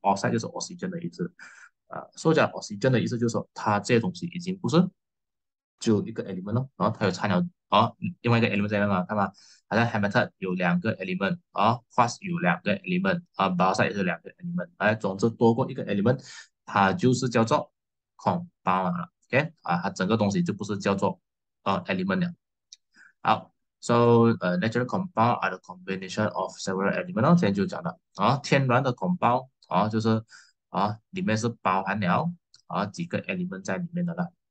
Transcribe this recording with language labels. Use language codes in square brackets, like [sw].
[zh] oxide 就是 oxygen 的意思，所以讲 oxygen 的意思就是说它这些东西已经不是只有一个 element 了，它有掺了另外一个 element 在那嘛，看吧，好像 hematite 有2个 element，quartz 有2个 element，bauxite 也是2个 element，总之多过一个 element，它就是叫做 compound 了，OK，它整个东西就不是叫做element 了，好。 [en] Natural compound are the combination of several elements。 [zh] 今天就讲的天然的 compound 就是里面是包含了几个 element 在里面的了。